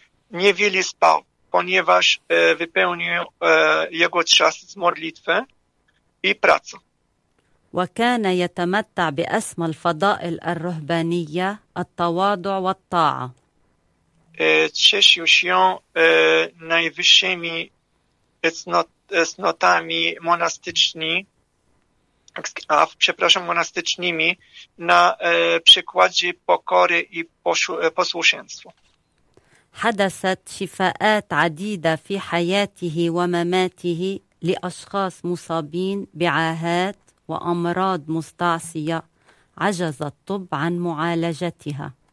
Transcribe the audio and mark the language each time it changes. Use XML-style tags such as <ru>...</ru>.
<pl>Niewiele spał, ponieważ wypełnił jego czas z modlitwy i pracą.</pl> <ar>وكان يتمتع بأسم الفضائل الرهبانية التواضع والطاعة.</ar> <pl>Cieszył się najwyższymi cnotami monastycznymi na przykładzie pokory i posłuszeństwa.</pl> <ar>حدثت شفاءات عديدة في حياته ومماته لأشخاص مصابين بعاهات وأمراض مستعصية عجز الطب عن معالجتها.</ar>